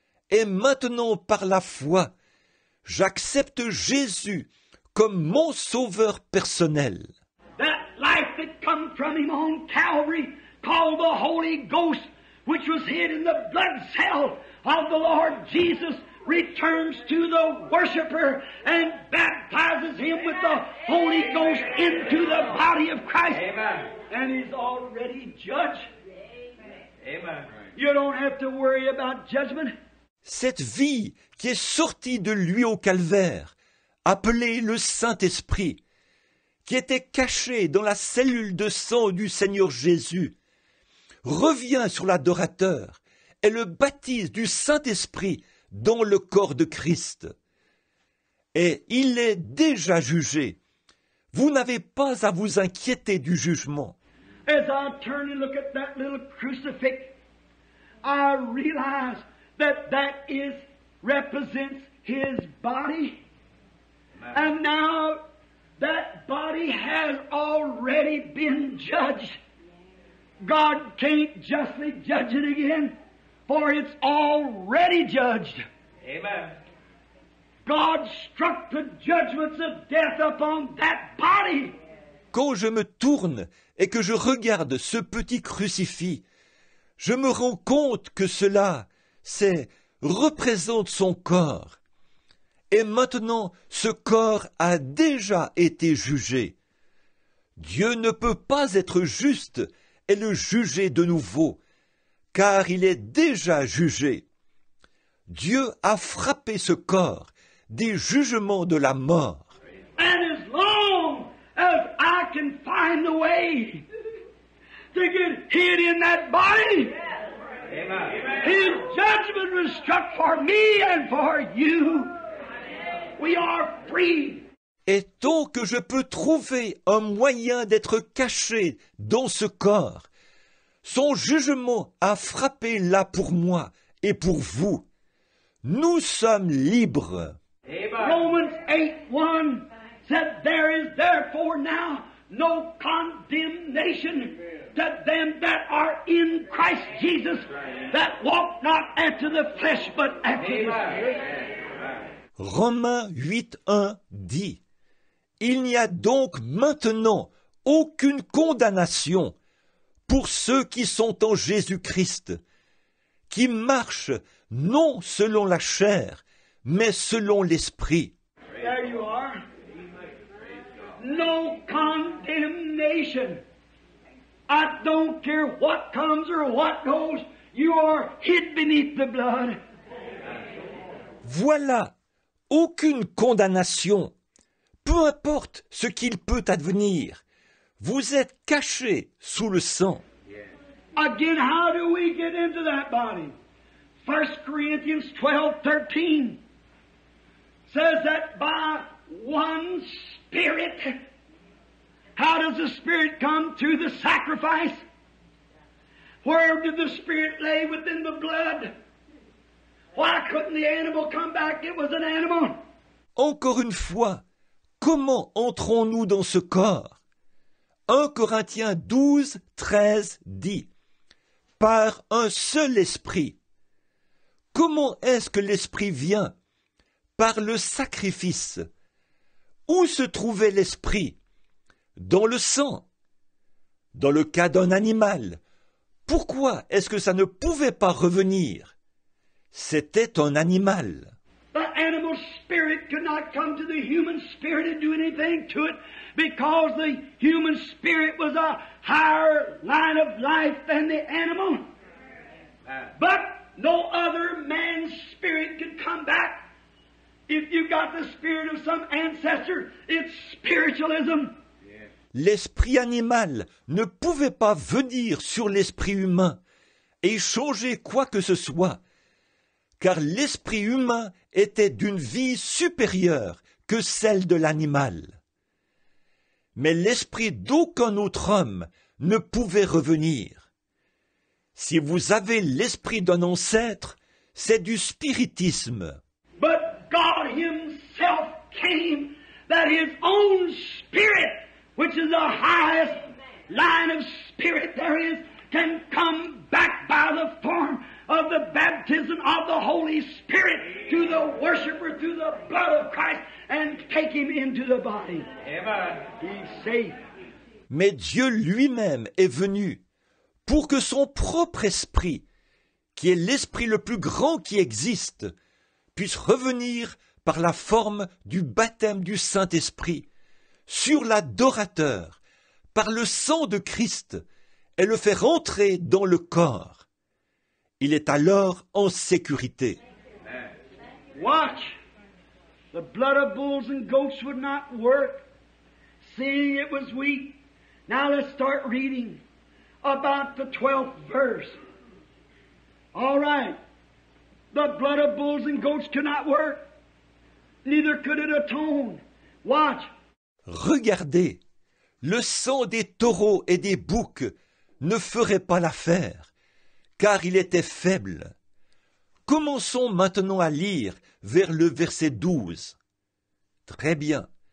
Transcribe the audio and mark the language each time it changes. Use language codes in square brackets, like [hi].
[fr] Et maintenant, par la foi, j'accepte Jésus comme mon sauveur personnel. [en] That life that come from him on Calvary, called the Holy Ghost, which was hid in the blood cell of the Lord Jesus, returns to the worshiper and baptizes him with the Holy Ghost into the body of Christ. Amen. And he's already judged. Amen. You don't have to worry about judgment. [fr] Cette vie qui est sortie de lui au calvaire, appelée le Saint-Esprit, qui était cachée dans la cellule de sang du Seigneur Jésus, revient sur l'adorateur et le baptise du Saint-Esprit dans le corps de Christ. Et il est déjà jugé. Vous n'avez pas à vous inquiéter du jugement. [en] As I turn and look at that little crucifix, I realize that is represents his body. And now that body has already been judged. God can't justly judge it again, for it's already judged. Amen. God struck the judgments of death upon that body. [fr] Quand je me tourne et que je regarde ce petit crucifix, je me rends compte que cela, c'est, représente son corps. Et maintenant, ce corps a déjà été jugé. Dieu ne peut pas être juste et le juger de nouveau, car il est déjà jugé. Dieu a frappé ce corps des jugements de la mort. [en] And as long as I can find the way to get hid in that body, his judgment was struck for me and for you. We are free. [fr] Et tant que je peux trouver un moyen d'être caché dans ce corps, son jugement a frappé là pour moi et pour vous. Nous sommes libres. [en] Romans 8:1 said, there is therefore now no condemnation to them that are in Christ Jesus, that walk not after the flesh but after the Spirit. [fr] Romains 8:1 dit, il n'y a donc maintenant aucune condamnation pour ceux qui sont en Jésus-Christ, qui marchent non selon la chair, mais selon l'Esprit. [en] There you are. No condemnation. I don't care what comes or what goes. You are hid beneath the blood. [fr] Voilà. Aucune condamnation. Peu importe ce qu'il peut advenir. Vous êtes caché sous le sang. [en] Again, how do we get into that body? 1 Corinthians 12:13 says that by one Spirit. How does the Spirit come? Through the sacrifice. Where did the Spirit lay? Within the blood. Why couldn't the animal come back? It was an animal. [fr] Encore une fois, comment entrons-nous dans ce corps? 1 Corinthiens 12:13 dit, par un seul Esprit. Comment est-ce que l'Esprit vient? Par le sacrifice. Où se trouvait l'Esprit? Dans le sang. Dans le cas d'un animal, pourquoi est-ce que ça ne pouvait pas revenir? C'était un animal. [en] The animal spirit could not come to the human spirit and do anything to it because the human spirit was a higher line of life than the animal. But no other man's spirit could come back. If you got the spirit of some ancestor, it's spiritualism. [fr] L'esprit animal ne pouvait pas venir sur l'esprit humain et changer quoi que ce soit, car l'esprit humain était d'une vie supérieure que celle de l'animal. Mais l'esprit d'aucun autre homme ne pouvait revenir. Si vous avez l'esprit d'un ancêtre, c'est du spiritisme. [en] But God himself came, that his own spirit, which is the highest line of spirit there is, can come back by the form of the baptism of the Holy Spirit to the worshiper through the blood of Christ and take him into the body. Amen. He's safe. [fr] Mais Dieu lui-même est venu pour que son propre esprit, qui est l'esprit le plus grand qui existe, puisse revenir par la forme du baptême du Saint-Esprit sur l'adorateur, par le sang de Christ, et le faire entrer dans le corps. Il est alors en sécurité. [en] Watch. The blood of bulls and goats would not work, seeing it was weak. Now let's start reading about the 12th verse. All right. The blood of bulls and goats could not work. Neither could it atone. Watch. [fr] Regardez. Le sang des taureaux et des boucs ne ferait pas l'affaire, car il était faible. Commençons maintenant à lire vers le verset 12. Très bien.